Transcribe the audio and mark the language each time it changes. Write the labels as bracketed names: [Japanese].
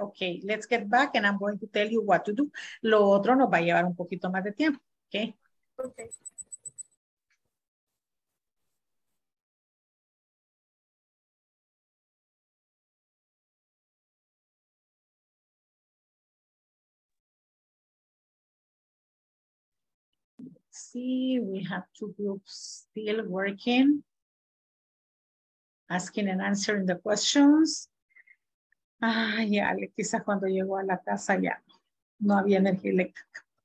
[English] Ok, let's get back and I'm going to tell you what to do. [Spanish] Lo otro nos va a llevar un poquito más de tiempo. [English] Ok. let's see, we have two groups still working, asking and answering the questions. [Spanish] Ah, ya, yeah, quizás cuando llegó a la casa ya no había energía eléctrica.